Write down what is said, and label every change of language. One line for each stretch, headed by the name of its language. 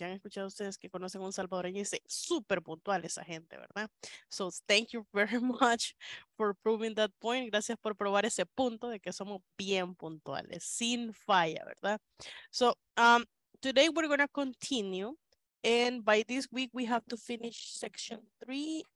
Spanish: Ya han escuchado ustedes que conocen a un salvadoreño y dice, súper puntual esa gente, ¿verdad?
English: So, thank you very much for proving that point.
Spanish: Gracias por probar ese punto de que somos bien puntuales, sin falla, ¿verdad?
English: So, today we're going to continue. And by this week, we have to finish section 3.